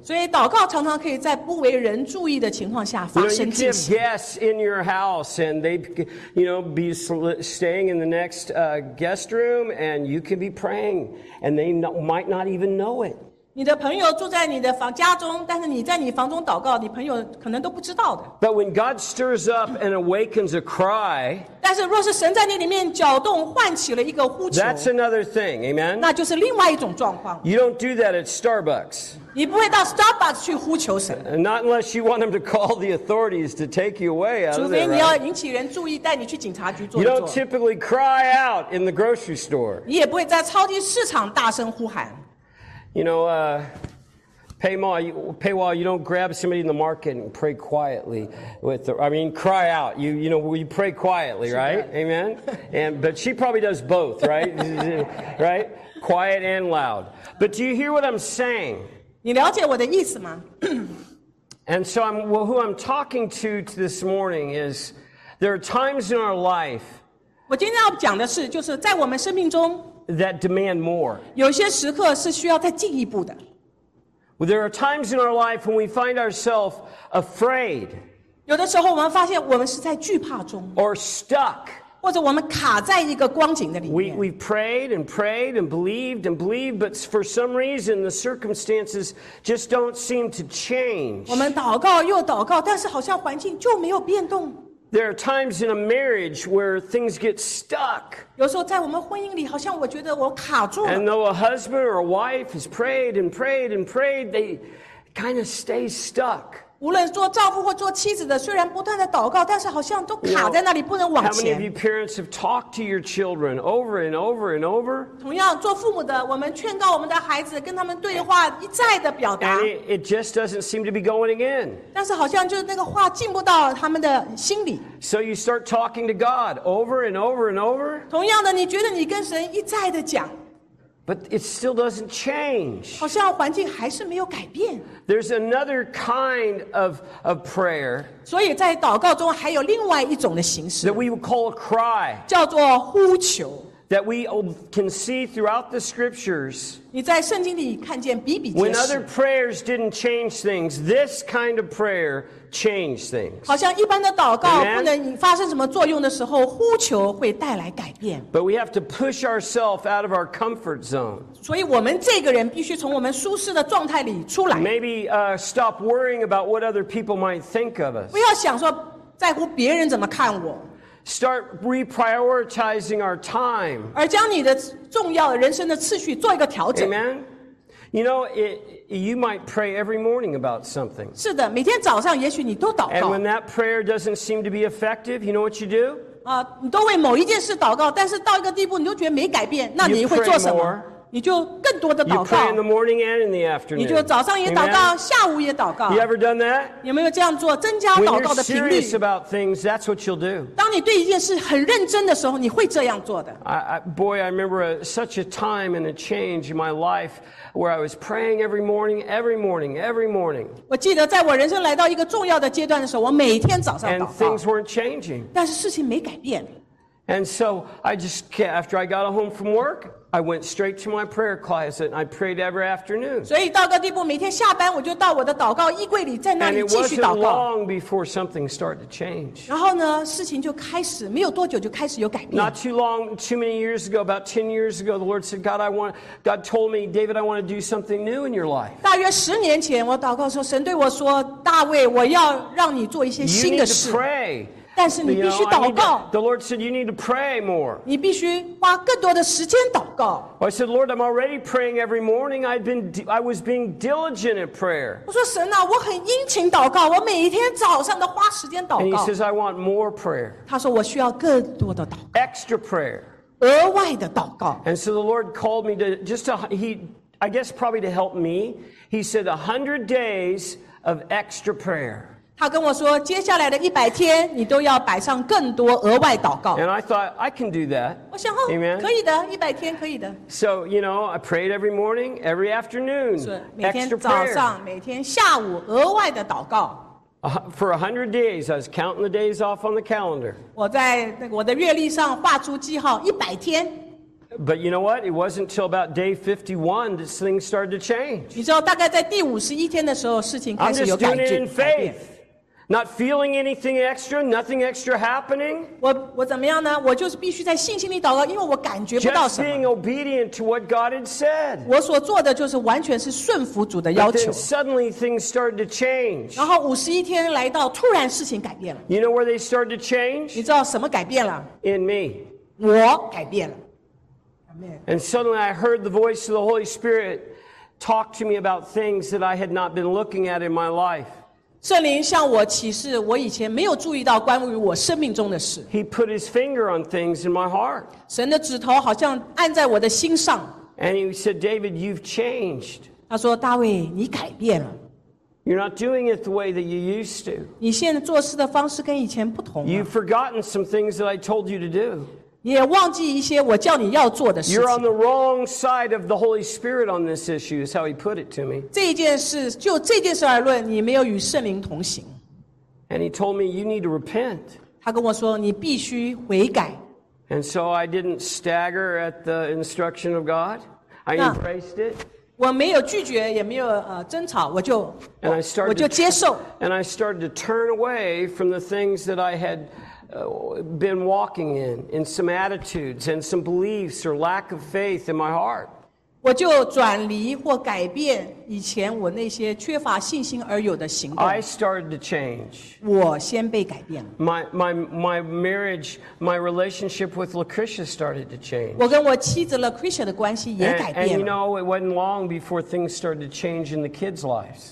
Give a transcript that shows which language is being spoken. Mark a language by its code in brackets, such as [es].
[zh] 所以祷告常常可以在不为人注意的情况下发生进行。 [en] You know, you can have guests in your house, and they, you know, be staying in the next guest room, and you can be praying, and they might not even know it. [zh] 你的朋友住在你的房家中，但是你在你房中祷告，你朋友可能都不知道的。 [en] But when God stirs up and awakens a cry. [zh] 但是若是神在那里面搅动，唤起了一个呼求 [en] ，That's another thing, amen. [zh] 那就是另外一种状况。 [en] You don't do that at Starbucks. [zh] 你不会到 Starbucks 去呼求神。 [en] Not unless you want them to call the authorities to take you away. [zh] 除非你要引起人注意，带你去警察局做。 [en] You don't typically cry out in the grocery store. [zh] 你也不会在超级市场大声呼喊。 [en] You know, Paywa, you don't grab somebody in the market and pray quietly with the, I mean, cry out. You know, we pray quietly, right? Amen? But she probably does both, right? Right? Quiet and loud. But do you hear what I'm saying? [zh] 你了解我的意思吗? [en] And so who I'm talking to this morning is, there are times in our life [zh] 我今天要讲的是就是在我们生命中 [en] that demand more. [zh] 有些时刻是需要再进一步的。 [en] There are times in our life when we find ourselves afraid. [zh] 有的时候我们发现我们是在惧怕中。 [en] Or stuck. [zh] 或者我们卡在一个光景的里面。 [en] We prayed and prayed and believed, but for some reason the circumstances just don't seem to change. [zh] 我们祷告又祷告，但是好像环境就没有变动。 [en] There are times in a marriage where things get stuck. [zh] 有时候在我们婚姻里，好像我觉得我卡住了。 [en] And though a husband or a wife has prayed and prayed and prayed, they kind of stay stuck. [zh] 无论做丈夫或做妻子的，虽然不断的祷告，但是好像都卡在那里，不能往前。 [en] How many of you parents have talked to your children over and over and over? [zh] 同样，做父母的，我们劝告我们的孩子，跟他们对话，一再的表达。 [en] And it just doesn't seem to be going in. [zh] 但是好像就那个话进不到他们的心里。 [en] So you start talking to God over and over and over. [zh] 同样的，你觉得你跟神一再的讲。 [en] But it still doesn't change. [zh] 好像环境还是没有改变。 [en] There's another kind of prayer. [zh] 所以在祷告中还有另外一种的形式。 [en] That we would call a cry. [zh] 叫做呼求。 [en] That we can see throughout the scriptures. [zh] 你在圣经里看见比比皆是。 [en] When other prayers didn't change things, this kind of prayer changed things. [zh] 好像一般的祷告不能发生什么作用的时候，呼求会带来改变。 [en] But we have to push ourselves out of our comfort zone. [zh] 所以我们这个人必须从我们舒适的状态里出来。 [en] Maybe stop worrying about what other people might think of us. [zh] 不要想说在乎别人怎么看我。 [en] Start reprioritizing our time. [zh] 而将你的重要人生的次序做一个调整。 [en] Amen. You know, you might pray every morning about something. [zh] 是的，每天早上也许你都祷告。 [en] And when that prayer doesn't seem to be effective, you know what you do? [zh] 你都为某一件事祷告，但是到一个地步你就觉得没改变，那你会做什么？你就更多的祷告。 [en] You pray in the morning and in the afternoon. [zh] 你就早上也祷告，下午也祷告。 [en] You ever done that? [zh] 有没有这样做，增加祷告的频率？ [en] When you're serious about things, that's what you'll do. [zh] 当你对一件事很认真的时候，你会这样做的。 [en] I remember such a time and a change in my life where I was praying every morning, every morning, every morning. [zh] 我记得在我人生来到一个重要的阶段的时候，我每天早上祷告。 [en] And things weren't changing. [zh] 但是事情没改变。 [en] And so I just after I got home from work. I went straight to my prayer closet and I prayed every afternoon. [zh] 所以到个地步，每天下班我就到我的祷告衣柜里，在那里继续祷告。 [en] And it wasn't long before something started to change. [zh] 然后呢，事情就开始，没有多久就开始有改变。 [en] Not too long, too many years ago, about 10 years ago, the Lord said, God told me, David, I want to do something new in your life. [zh] 大约十年前，我祷告的时候，神对我说，大卫，我要让你做一些新的事。 [en] You need to pray. [zh] 但是你必须祷告。 [en] The Lord said you need to pray more. [zh] 你必须花更多的时间祷告。 [en] I said, Lord, I'm already praying every morning. I was being diligent in prayer. [zh] 我说神啊，我很殷勤祷告，我每一天早上都花时间祷告。 [en] And he says, I want more prayer. [zh] 他说我需要更多的祷告。 [en] Extra prayer. [zh] 额外的祷告。 [en] And so the Lord called me to I guess probably to help me. He said 100 days of extra prayer. [zh] 他跟我说，接下来的100天，你都要摆上更多额外祷告。 [en] And I thought I can do that. [zh] 我想哦， [en] Amen. [zh] 可以的，100天可以的。 [en] So you know, I prayed every morning, every afternoon. [zh] 每天早上，每天下午，额外的祷告。 [en] For 100 days, I was counting the days off on the calendar. [zh] 我在那个我的月历上画出记号，100天。 [en] But you know what? It wasn't until about day 51 that things started to change. [zh] 你知道，大概在第51天的时候，事情开始有改变。 [en] I'm just doing it in faith. Not feeling anything extra, nothing extra happening. [zh] 我怎么样呢？我就是必须在信心里祷告，因为我感觉不到什么。 [en] Just being obedient to what God had said. [zh] 我所做的就是完全是顺服主的要求。 [en] But then suddenly things started to change. [zh] 然后51天来到，突然事情改变了。 [en] You know where they started to change? [zh] 你知道什么改变了？ [en] In me. [zh] 我改变了。 [en] Amen. And suddenly I heard the voice of the Holy Spirit talk to me about things that I had not been looking at in my life. [zh] 圣灵向我启示我以前没有注意到关于我生命中的事。 [en] He put his finger on things in my heart. [zh] 神的指头好像按在我的心上。 [en] And he said, David, you've changed. [zh] 他说大卫你改变了。 [en] You're not doing it the way that you used to. [zh] 你现在做事的方式跟以前不同了。 [en] You've forgotten some things that I told you to do. [zh] 也忘记一些我叫你要做的事情。 [en] You're on the wrong side of the Holy Spirit on this issue, is how he put it to me. [zh] 这件事，就这件事而论，你没有与圣灵同行。 [en] And he told me, you need to repent. [zh] 他跟我说，你必须悔改。 [en] And so I didn't stagger at the instruction of God. I embraced it. [zh] 我没有拒绝，也没有争吵，我就接受。 [en] And I started to turn away from the things that I had... been walking in some attitudes and some beliefs or lack of faith in my heart. [zh] 我就转离或改变以前我那些缺乏信心而有的行动。 [en] I started to change. [zh] 我先被改变了。 [en] My marriage, my relationship with Lucretia started to change. [zh] 我跟我妻子 Lucretia 的关系也改变了。 [en] And you know, it wasn't long before things started to change in the kids' lives.